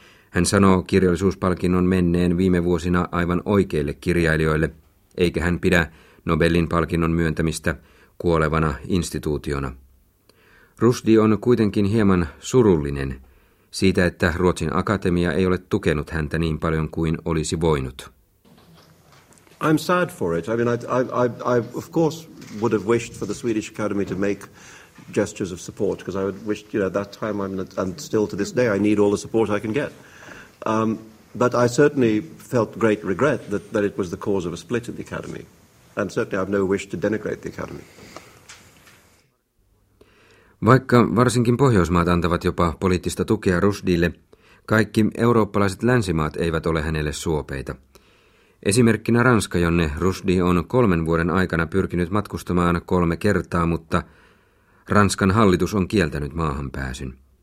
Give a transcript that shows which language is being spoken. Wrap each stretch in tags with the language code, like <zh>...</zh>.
<fi>Hän sanoo kirjallisuuspalkinnon menneen viime vuosina aivan oikeille kirjailijoille, eikä hän pidä Nobelin palkinnon myöntämistä kuolevana instituutiona. Rushdie on kuitenkin hieman surullinen siitä, että Ruotsin akatemia ei ole tukenut häntä niin paljon kuin olisi voinut.</fi> <en>I'm sad for it. I mean, I of course would have wished for the Swedish Academy to make gestures of support, because I would wish, you know, that time I'm not, and still to this day I need all the support I can get. But I certainly felt great regret that it was the cause of a split in the Academy, and certainly I have no wish to denigrate the Academy.</en> <fi>Vaikka varsinkin Pohjoismaat antavat jopa poliittista tukea Rushdielle, kaikki eurooppalaiset länsimaat eivät ole hänelle suopeita. Esimerkkinä Ranska, jonne Rushdie on 3 vuoden aikana pyrkinyt matkustamaan 3 kertaa, mutta Ranskan hallitus on kieltänyt maahan pääsyn.</fi>